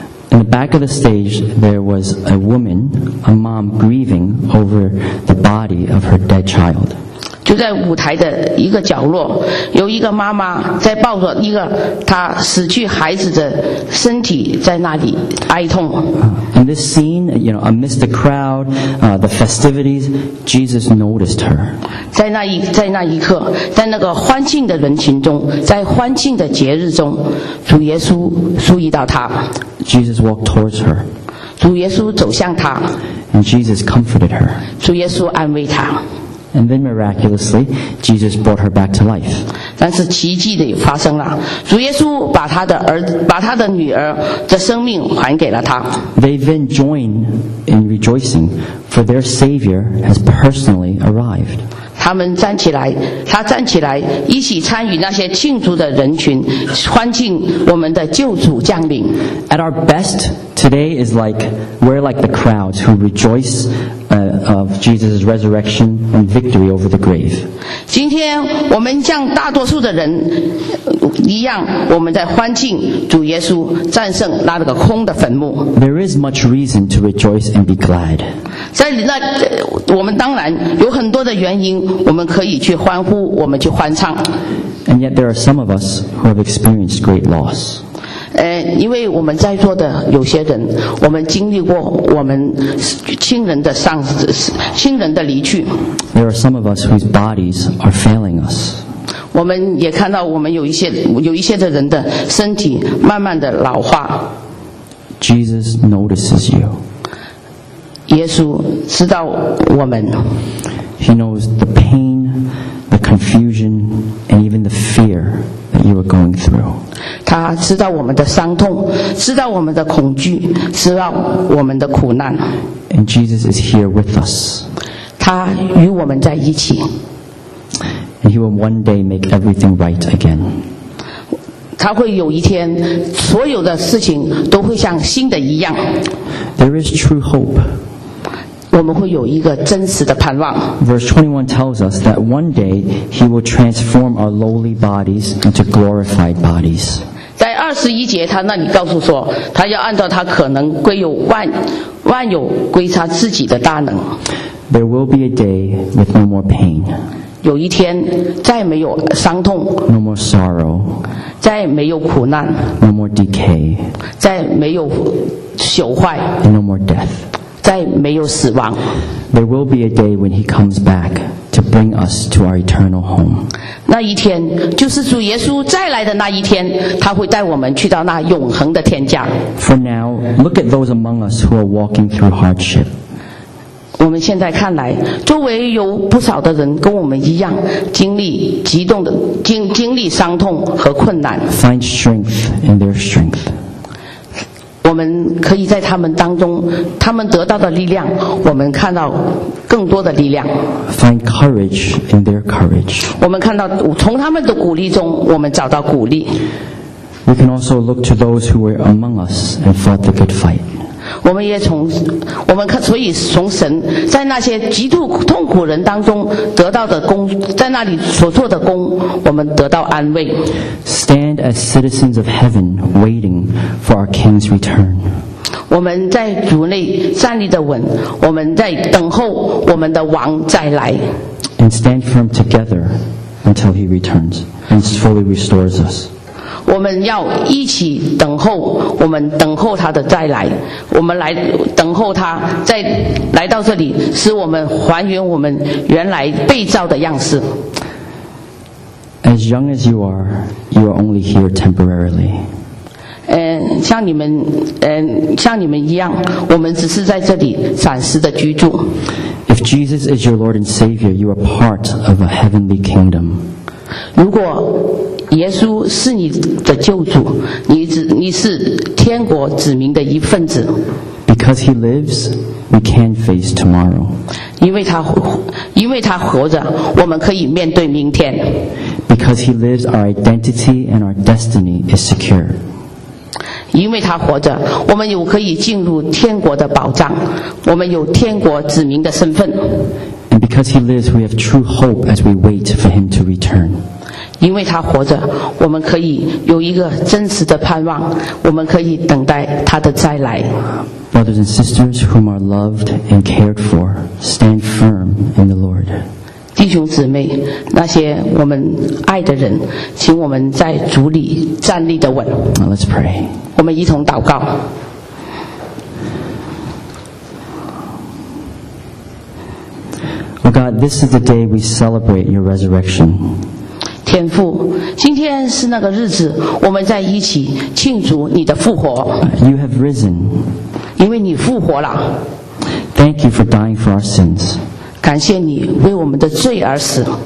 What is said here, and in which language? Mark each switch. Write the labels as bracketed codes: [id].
[en] In the back of the stage, there was a woman, a mom grieving over the body of her dead child. [zh] 就在舞台的一个角落，有一个妈妈在抱着一个她死去孩子的身体在那里哀痛。 [en] In this scene, you know, amidst the crowd, the festivities, Jesus noticed her. [zh] 在那一刻，在那个欢庆的人群中，在欢庆的节日中，主耶稣注意到她。 [en] Jesus walked towards her. [zh] 主耶稣走向她。 [en] And Jesus comforted her. [zh] 主耶稣安慰她。 [en] And then miraculously, Jesus brought her back to life. [zh] 但是奇迹的也发生了，主耶稣把他的女儿的生命还给了他。 [en] They then join in rejoicing, for their Savior has personally arrived. [zh] 他们站起来，他站起来，一起参与那些庆祝的人群，欢庆我们的救主降临。 [en] At our best, today is like we're like the crowds who rejoice. Of Jesus' resurrection and victory over the grave. [zh] 今天我们像大多数的人一样，我们在欢庆主耶稣战胜那个空的坟墓。 [en] There is much reason to rejoice and be glad. [zh] 在那，我们当然有很多的原因，我们可以去欢呼，我们去欢唱。 [en] And yet there are some of us who have experienced great loss. [zh] 因为我们在座的有些人，我们经历过我们亲人的丧失，亲人的离去。 [en] There are some of us whose bodies are failing us. [zh] 我们也看到我们有一些的人的身体慢慢的老化。 [en] Jesus notices you. [zh] 耶稣知道我们。 [en] He knows the pain, the confusion, and even the fear that you are going through. [zh] 他知道我们的伤痛，知道我们的恐惧，知道我们的苦难。 [en] And Jesus is here with us. [zh] 他与我们在一起。 [en] And he will one day make everything right again. [zh] 他会有一天，所有的事情都会像新的一样。 [en] There is true hope. [zh] 我们会有一个真实的盼望。 [en] Verse 21 tells us that one day he will transform our lowly bodies into glorified bodies. [zh] 在二十一节，他那里告诉说，他要按照他可能归有万有归他自己的大能。 [en] There will be a day with no more pain. [zh] 有一天，再没有伤痛。 [en] No more sorrow. [zh] 再没有苦难。 [en] No more decay. [zh] 再没有朽坏。 [en] And no more death. [zh] 再没有死亡。 [en] There will be a day when he comes back. To bring us to our eternal home. [zh] 那一天，就是主耶稣再来的那一天，他会带我们去到那永恒的天家。 [en] For now, look at those among us who are walking through hardship. [zh] 我们现在看来，周围有不少的人跟我们一样，经历伤痛和困难。 [en] Find strength in their strength. [zh] 我们可以在他们当中，他们得到的力量，我们看到更多的力量。 [en] Find courage in their courage. [zh] 我们看到从他们的鼓励中，我们找到鼓励。 [en] We can also look to those who were among us and fought the good fight. [zh] 我们可以从神在那些极度痛苦人当中得到的功，在那里所做的功，我们得到安慰。 [en] Stand as citizens of heaven, waiting for our King's return. [zh] 我们在主内站立的稳，我们在等候我们的王再来。 [en] And stand firm together until he returns and fully restores us. [zh] 我们要一起等候，我们等候他的再来，我们来等候他再来到这里，使我们还原我们原来被造的样式。 A [en] As young as you are only here temporarily. [zh] 像你们一样，我们只是在这里暂时的居住。 [en] If Jesus is your Lord and Savior, you are part of a heavenly kingdom. [zh] 如果耶稣是你的救主，你是天国子民的一份子。 [en] Because he lives, we can face tomorrow. [zh] 因为他活着，我们可以面对明天。 [en] Because he lives, our identity and our destiny is secure. [zh] 因为他活着，我们有可以进入天国的保障，我们有天国子民的身份。 [en] And because he lives, we have true hope as we wait for him to return. [zh] 因为他活着，我们可以有一个真实的盼望，我们可以等待他的再来。 [en] Brothers and sisters whom are loved and cared for, stand firm in the Lord. [zh] 弟兄姊妹，那些我们爱的人，请我们在主里站立的稳。 [en] Now let's pray. [zh] 我们一同祷告。 [en] Oh God, this is the day we celebrate your resurrection. [zh] 天父，今天是那个日子，我们在一起庆祝你的复活。 [en] You have risen. [zh] 因为你复活了。 [en] Thank you for dying for our sins. [zh] 感谢你为我们的罪而死。